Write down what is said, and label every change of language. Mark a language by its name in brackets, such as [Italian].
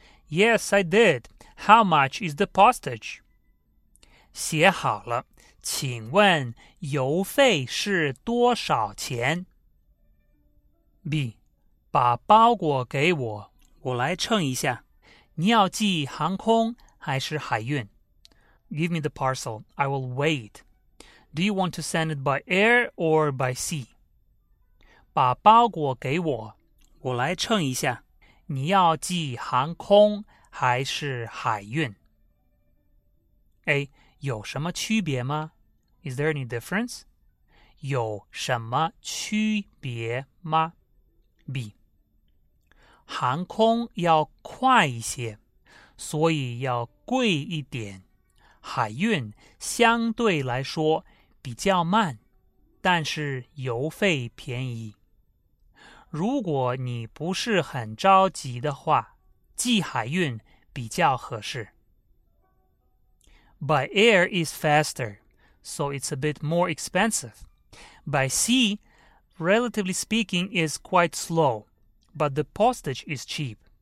[English] Yes, I did. How much is the postage? [Chinese] 写好了。请问邮费是多少钱?B. 把包裹给我,我来称一下。你要寄航空还是海运? [English] Give me the parcel, I will weigh it. Do you want to send it by air or by sea? [Chinese] 把包裹给我,我来称一下。你要寄航空还是海运? A. 有什么区别吗? [English] Is there any difference? [Chinese] 有什么区别吗?B. 航空要快一些,所以要贵一点。海运相对来说比较慢,但是邮费便宜。如果你不是很着急的话,寄海运比较合适。 [English] By air is faster, so it's a bit more expensive. By sea,Relatively speaking, is quite slow, but the postage is cheap.